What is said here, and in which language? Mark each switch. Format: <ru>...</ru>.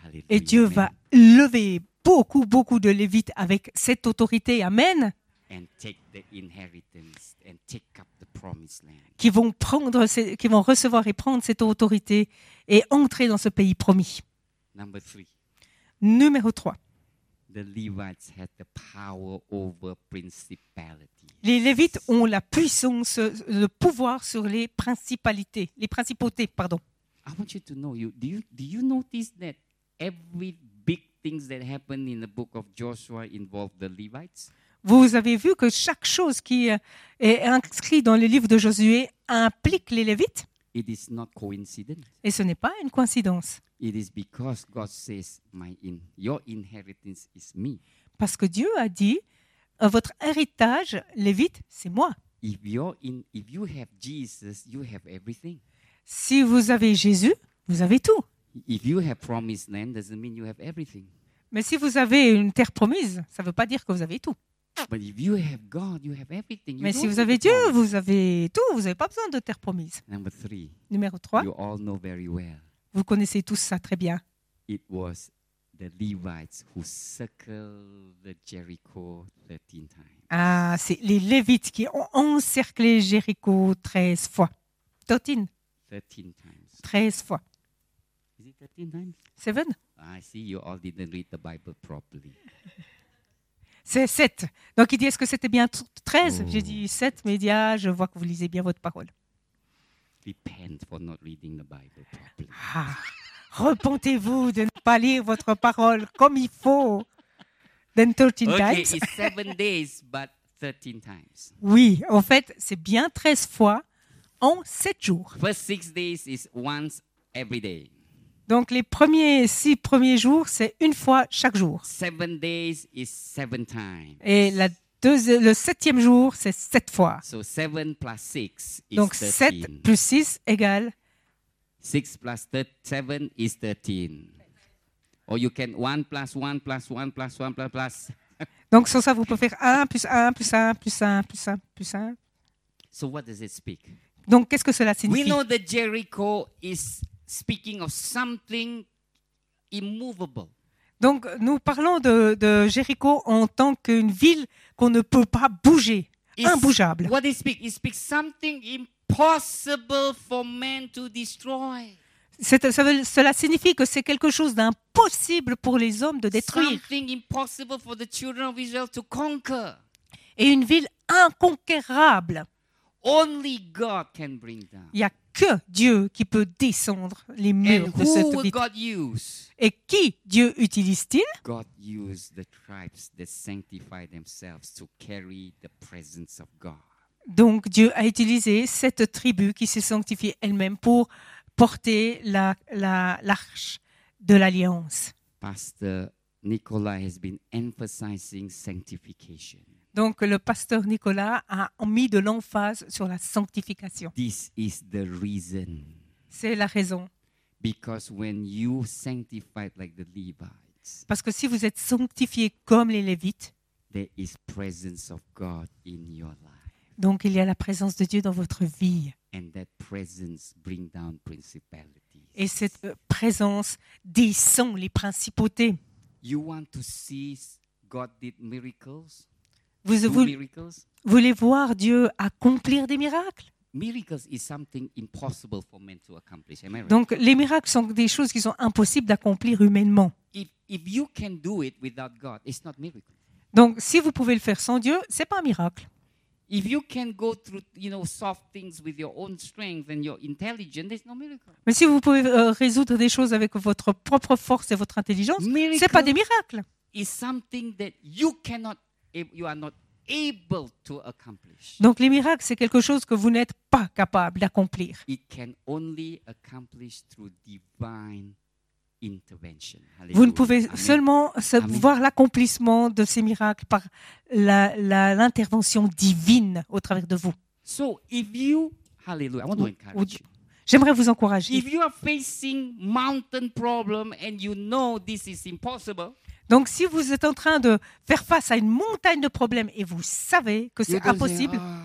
<fr>Hallelujah. Et Dieu va lever beaucoup, beaucoup de Lévites avec cette autorité. Amen.</fr> <en>And take the inheritance and take up the promised land.</en> <fr>Qui vont recevoir et prendre cette autorité et entrer dans ce pays promis.</fr> <en>Number three.</en> <fr>Numéro 3.</fr> <en>The Levites had the power over principalities.</en> <fr>Les Lévites ont la puissance, le pouvoir sur les principalités, les principautés, pardon.</fr> <en>I want you to know, do you notice that every big things that happened in the book of Joshua involved the Levites?</en> <fr>Vous avez vu que chaque chose qui est inscrite dans le livre de Josué implique les Lévites?</fr> <en>It is not coincidence.</en> <fr>Et ce n'est pas une coïncidence.</fr> <en>It is because God says, your inheritance is me.</en> <fr>Parce que Dieu a dit, votre héritage, Lévite, c'est moi.</fr> <en>If you have Jesus, you have everything.</en> <fr>Si vous avez Jésus, vous avez tout.</fr> <en>If you have promised land, doesn't mean you have everything.</en> <fr>Mais si vous avez une terre promise, ça ne veut pas dire que vous avez tout.</fr> <en>But if you have God, you have everything.</en> <fr>Mais si vous avez Dieu, vous avez tout. Vous n'avez pas besoin de terre promise.</fr> <en>Number three.</en> <fr>Numéro 3.</fr> <en>You all know very well.</en> <fr>Vous connaissez tous ça très bien.</fr> <en>It was the Levites who circled the Jericho 13 times.</en> <fr>Ah, c'est les Lévites qui ont encerclé Jéricho 13 fois. 13 fois.</fr> <en>Is it 13 times? 7. I see you all didn't read the Bible properly.</en> <fr>C'est 7. Donc il dit, est-ce que c'était bien 13? J'ai dit 7, mais il dit, ah, je vois que vous lisez bien votre parole.</fr> <en>Repent for not reading the Bible properly.</en> <fr>Ah, repentez-vous de ne pas lire votre parole comme il faut.</fr> <en>Then 13 okay, times. It's 7 days, but 13 times.</en> <fr>Oui, en fait, c'est bien 13 fois en 7 jours.</fr> <en>First 6 days is once every day.</en> <fr>Donc, les premiers 6 premiers jours, c'est une fois chaque jour.</fr> <en>7 days is 7 times.</en> <fr>Et le septième jour, c'est 7 fois.</fr> <en>So 7 plus 6 is 13.</en> <fr>Donc, 7 plus 6 égale</fr> <en>6 plus 7 is 13. Or you can 1 plus 1 plus 1 plus 1 plus 1 plus.</en> <fr>Donc, sans ça, vous pouvez faire 1 plus 1 plus 1 plus 1 plus 1 plus 1.</fr> <en>So what does it speak?</en> <fr>Donc, qu'est-ce que cela signifie?</fr> <en>We know that Jericho is speaking of something immovable.</en> <fr>Donc nous parlons de Jéricho en tant qu'une ville qu'on ne peut pas bouger, imbougeable.</fr> <en>What does it speak? It speaks something impossible for man to destroy.</en> <fr>Cela signifie que c'est quelque chose d'impossible pour les hommes de détruire.</fr> <en>Something impossible for the children of Israel to conquer.</en> <fr>Et une ville inconquérable.</fr> <en>Only God can bring down.</en> <fr>Il y a que Dieu qui peut descendre les murs</fr> <en>and</en> <fr>de cette ville.</fr> <en>God use?</en> <fr>Et qui Dieu utilise-t-il?</fr> <en>God use the tribes that sanctify themselves to carry the presence of God.</en> <fr>Donc Dieu a utilisé cette tribu qui s'est sanctifiée elle-même pour porter l'arche de l'alliance.</fr> <en>Pastor Nicolas has been emphasizing sanctification.</en> <fr>Donc, le pasteur Nicolas a mis de l'emphase sur la sanctification.</fr> <en>This is the reason.</en> <fr>C'est la raison.</fr> <en>Because when you sanctified like the Levites,</en> <fr>parce que si vous êtes sanctifié comme les Lévites,</fr> <en>there is presence of God in your life.</en> <fr>Donc, il y a la présence de Dieu dans votre vie.</fr> <en>And that presence bring down principalities.</en> <fr>Et cette présence descend les principautés.</fr> <en>You want to see God did miracles?</en> <fr>Vous voulez voir Dieu accomplir des miracles?</fr> <en>Miracles is something impossible for men to accomplish. Am I right?</en> <fr>Donc les miracles sont des choses qui sont impossibles d'accomplir humainement.</fr> <en>If you can do it without God, it's not miracle.</en> <fr>Donc si vous pouvez le faire sans Dieu, c'est pas un miracle.</fr> <en>If you can go through, you know, soft things with your own strength and your intelligence, there's no miracle.</en> <fr>Mais si vous pouvez résoudre des choses avec votre propre force et votre intelligence,</fr> <en>miracle</en> <fr>c'est pas des miracles.</fr> <en>Is something that you cannot. If you are not able to accomplish.</en> <fr>Donc les miracles, c'est quelque chose que vous n'êtes pas capable d'accomplir.</fr> <en>It can only accomplish through divine intervention.</en> <fr>Hallelujah. Vous ne pouvez Amen. Seulement Amen. Voir l'accomplissement de ces miracles par l'intervention divine au travers de vous.</fr> <en>So if you, hallelujah, I want to encourage you.</en> <fr>J'aimerais vous encourager.</fr> <en>If you are facing mountain problem and you know this is impossible.</en> <fr>Donc, si vous êtes en train de faire face à une montagne de problèmes et vous savez que c'est impossible,</fr>